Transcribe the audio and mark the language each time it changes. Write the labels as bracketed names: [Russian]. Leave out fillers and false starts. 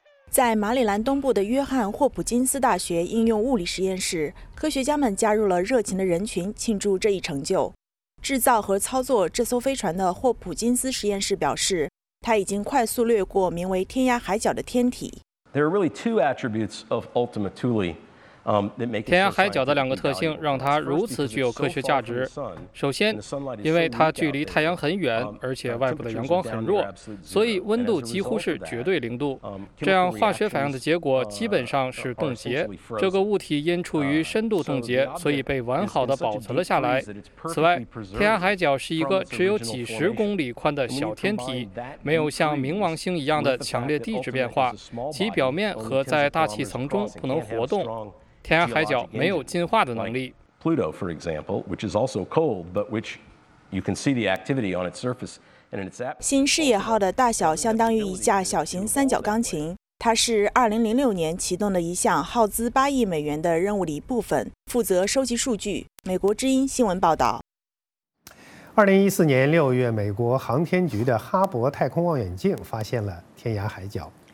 [Chinese] 在马里兰东部的约翰霍普金斯大学应用物理实验室，科学家们加入了热情的人群，庆祝这一成就。制造和操作这艘飞船的霍普金斯实验室表示，他已经快速掠过名为天涯海角的天体。 [English] There are really two attributes of Ultima Thule. [Chinese] 天涯海角的两个特性让它如此具有科学价值。首先，因为它距离太阳很远，而且外部的阳光很弱，所以温度几乎是绝对零度。这样化学反应的结果基本上是冻结。这个物体因处于深度冻结，所以被完好地保存了下来。此外，天涯海角是一个只有几十公里宽的小天体，没有像冥王星一样的强烈地质变化，其表面和在大气层中不能活动。天涯海角没有进化的能力。 [English] Pluto, for example, which is also cold, but which you can see the activity on its surface and in its atmosphere. [Chinese] 新视野号的大小相当于一架小型三角钢琴。它是2006年启动的一项耗资8亿美元的任务的一部分，负责收集数据。美国之音新闻报道。 2014年6月，美国航天局的哈勃太空望远镜发现了天涯海角。